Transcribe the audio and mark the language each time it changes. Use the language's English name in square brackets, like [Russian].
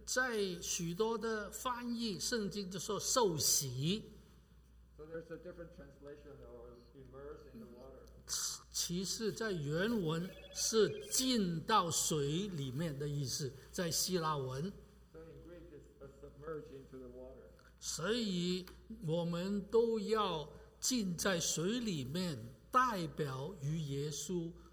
[Chinese] 在许多的翻译，圣经就说受洗。 [English] So there's a different translation of immerse in the water. [Chinese] 其实，在原文是浸到水里面的意思，在希腊文。 [English] So in Greek, it's a submerge into the water. [Chinese] 所以，我们都要浸在水里面，代表与耶稣。